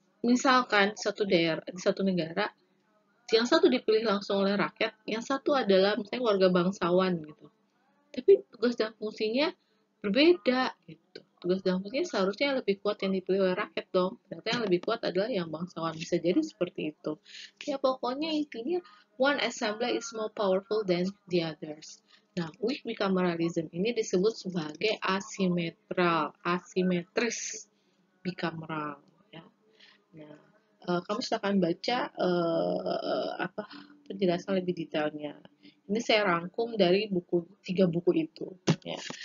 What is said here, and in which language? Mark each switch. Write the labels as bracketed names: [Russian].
[Indonesian] Misalkan, satu daerah, satu negara, yang satu dipilih langsung oleh rakyat, yang satu adalah misalnya warga bangsawan gitu. Tapi tugas dan fungsinya berbeda gitu. Tugas dan fungsinya seharusnya yang lebih kuat yang dipilih oleh rakyat dong. Ternyata yang lebih kuat adalah yang bangsawan. Bisa jadi seperti itu. Ya pokoknya intinya [English] one assembly is more powerful than the others. [Indonesian] Nah, weak bicameralism ini disebut sebagai asimetral, asimetris bicameral. Ya. Nah, kamu silakan baca apa penjelasan lebih detailnya. Ini saya rangkum dari buku 3 buku itu. Ya.